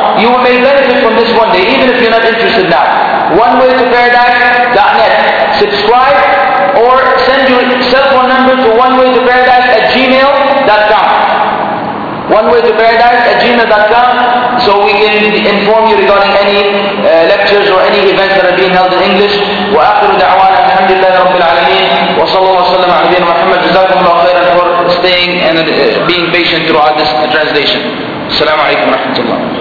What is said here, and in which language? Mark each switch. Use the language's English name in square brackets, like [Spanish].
[English] You may benefit from this one day, even if you're not interested now. OneWayToParadise.net. Subscribe or send your cell phone number to OneWayToParadise@gmail.com. OneWayToParadise@gmail.com, so we can inform you regarding any lectures or any events that are being held in English. [Arabic] وآخر دعوانا الحمد لله رب العالمين وصلى الله وسلم على نبينا محمد. جزاكم الله خيرا [English] for staying and being patient throughout this translation. [Arabic] السلام عليكم ورحمة الله.